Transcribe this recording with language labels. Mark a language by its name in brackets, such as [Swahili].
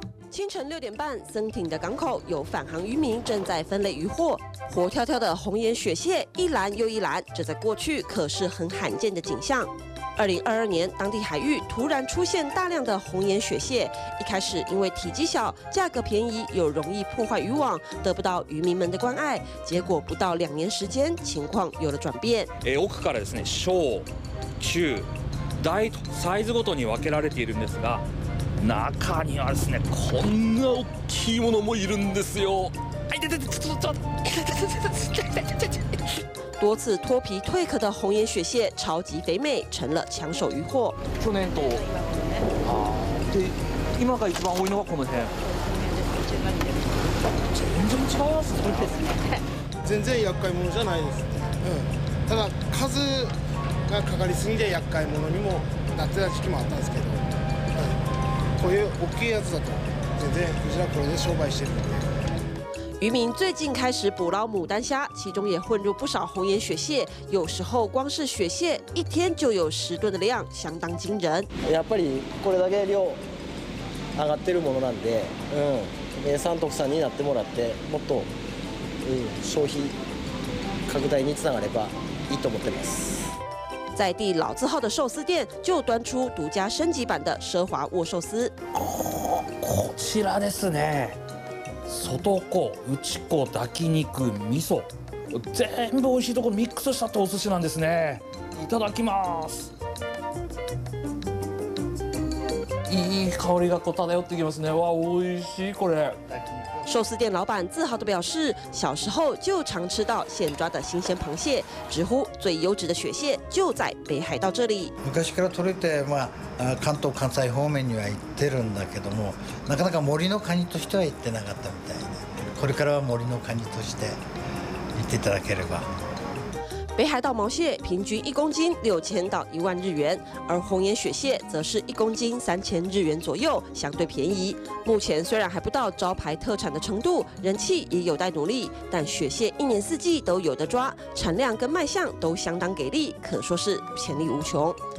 [Chinese] 清晨6:30，森町的港口有返航渔民正在分类渔获，活跳跳的红岩雪蟹一篮又一篮，这在过去可是很罕见的景象。 2022年，当地海域突然出现大量的红岩雪蟹，一开始因为体积小、价格便宜又容易破坏渔网，得不到渔民们的关爱，结果不到2年时间，情况有了转变。 [Japanese] 奥からですね、小、中、大とサイズごとに分けられているんですが。中にはですね、こんな大きいものもいるんですよ。 [Chinese] 多次脱皮蜕壳的红岩雪蟹，超级肥美，成了抢手渔获。 [Japanese] 去年と、で、今が一番多いのはこの辺。全然違います。全然厄介ものじゃないです。ただ数がかかりすぎて厄介ものにもなってた時期もあったんですけど。こういう大きいやつだと全然クジラこれで商売してるんで。 [Chinese] 渔民最近开始捕捞牡丹虾，其中也混入不少红眼雪蟹，有时候光是雪蟹一天就有十吨的量，相当惊人。 [Japanese] やっぱりこれだけ量上がってるものなんで、名産特産になってもらって、もっと消費拡大につながればいいと思ってます。 [Chinese] 在地老字号的寿司店，就端出独家升级版的奢华握寿司。 [Japanese] こちらですね。外子、内子、炊き肉、味噌、全部美味しいところミックスしたってお寿司なんですね。いただきます。いい香りがこう漂ってきますね。わあ、美味しいこれ。 [Chinese] 寿司店老板自豪地表示，小时候就常吃到现抓的新鲜螃蟹，直呼最优质的雪蟹就在北海道这里。 [Japanese] 昔から取れて、関東関西方面には行ってるんだけども、なかなか森のカニとしては行ってなかったみたいで、これからは森のカニとして行っていただければ。 [Chinese] 北海道毛蟹平均一公斤6000到10000日元，而红眼雪蟹则是一公斤3000日元左右，相对便宜。目前虽然还不到招牌特产的程度，人气也有待努力，但雪蟹一年四季都有得抓，产量跟卖相都相当给力，可说是潜力无穷。